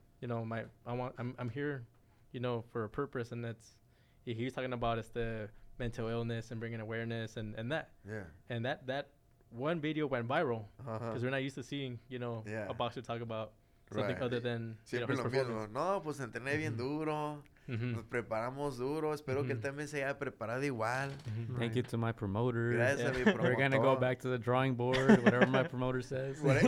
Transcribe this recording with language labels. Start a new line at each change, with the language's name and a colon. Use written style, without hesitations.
English: You know, I'm here, you know, for a purpose. And that's, he was talking about the mental illness and bringing awareness and that. Yeah. And that one video went viral because we're not used to seeing, you know, a boxer talk about something other than,
Spanish: siempre,
English: you know, his performance.
Spanish: Mismo. No, pues entrené bien duro. Nos preparamos duro. Espero que él también se haya preparado igual.
English: Thank you to my promoter.
Spanish: Gracias a mi promotor.
English: We're going to go back to the drawing board, whatever my promoter says.